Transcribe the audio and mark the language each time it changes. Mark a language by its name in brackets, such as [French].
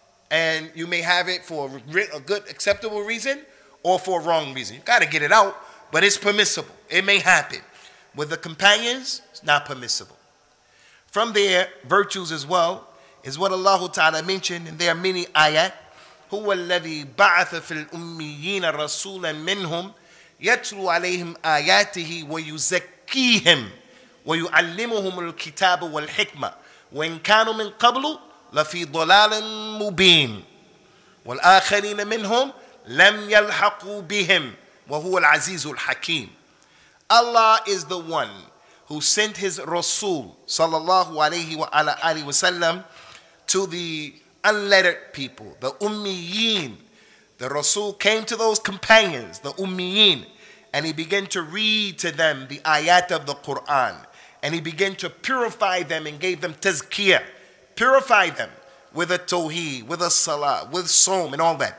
[English] And you may have it for a good, acceptable reason or for a wrong reason. You've got to get it out, but it's permissible. It may happen. With the companions, it's not permissible. From their virtues as well, is what Allah Ta'ala mentioned in their many ayat. [Arabic] هو الذي بعث في الأميين رسولا منهم يتلو عليهم آياته ويزكيهم ويعلمهم الكتاب والحكمة وإن كانوا من قبل لفي ضلال مبين والآخرين منهم لم يلحقوا بهم وهو العزيز الحكيم. [English] Allah is the one who sent his Rasul sallallahu alayhi wa ala alihi wa sallam to the unlettered people, the Ummiyin. The Rasul came to those companions, the Ummiyin, and he began to read to them the ayat of the Quran, and he began to purify them and gave them tazkiyah, purify them with a tawheed, with a salah, with som and all that.